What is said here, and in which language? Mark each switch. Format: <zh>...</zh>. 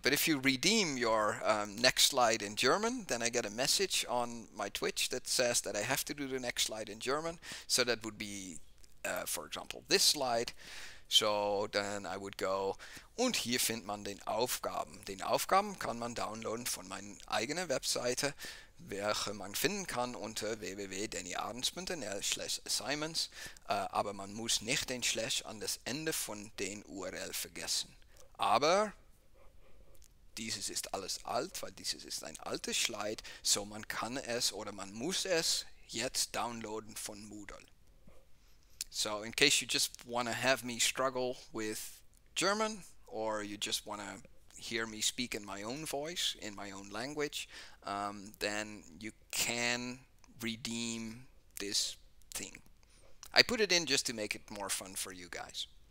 <en>But if you redeem your next slide in German, then I get a message on my Twitch that says that I have to do the next slide in German. So that would be, for example, this slide. So then I would go,</en> <de>und hier findet man den Aufgaben. Den Aufgaben kann man downloaden von meiner eigenen Webseite, welche man finden kann unter www.dannyarends.nl/assignments, aber man muss nicht den Slash an das Ende von den URL vergessen. Aber dieses ist alles alt, weil dieses ist ein altes Slide, so man kann es oder man muss es jetzt downloaden von Moodle.</de> <en>So in case you just want to have me struggle with German, or you just want to hear me speak in my own voice, in my own language, then you can redeem this thing. I put it in just to make it more fun for you guys.</en>